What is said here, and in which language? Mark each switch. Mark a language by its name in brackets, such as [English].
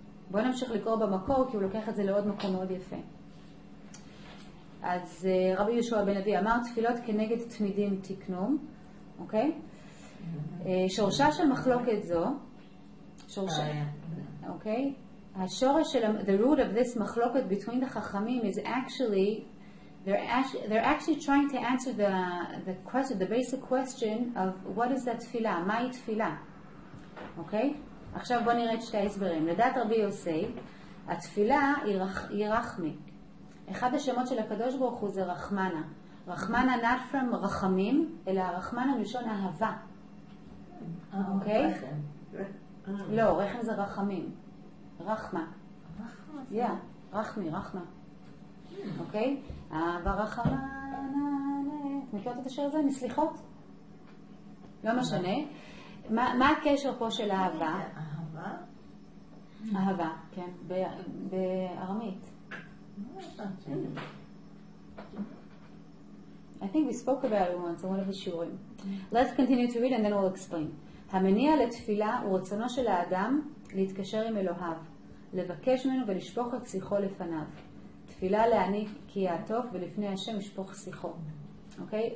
[Hebrew] בואו נמשיך לקרוא במקור, כי הוא לוקח את זה לעוד מקום מאוד יפה. אז רבי יהושע בן לוי אמר, תפילות כנגד תמידים תקנו, אוקיי? שורשה של מחלוקת זו, שורשה, אוקיי? השורש של, [English] the root of this מחלוקת between the חכמים is actually, they're actually trying to answer the question, the basic question of what is that תפילה? [Hebrew] מהי תפילה? אוקיי? עכשיו בוא נראה את שתי ההסברים. לדעת רבי יוסי, התפילה היא רחמי. אחד השמות של הקדוש ברוך הוא זה רחמנה. רחמנה [English] not from [Hebrew] רחמים, אלא רחמנה מלשון אהבה. אוקיי? לא, רחם זה רחמים. רחמה. [English] Yeah, [Hebrew] רחמי, רחמה. אוקיי? אהבה רחמנה. מכירות את השיר הזה? מסליחות? לא משנה. מה הקשר פה של אהבה? אהבה? אהבה, כן. בארמית. [English] I think we spoke about it once in one of the shiurim. Let's continue to read and then we'll explain. [Hebrew] המניע לתפילה הוא רצונו של האדם להתקשר עם אלוהיו, לבקש ממנו ולשפוך את שיחו לפניו. תפילה להעניק כי יעטוף ולפני השם ישפוך שיחו. אוקיי?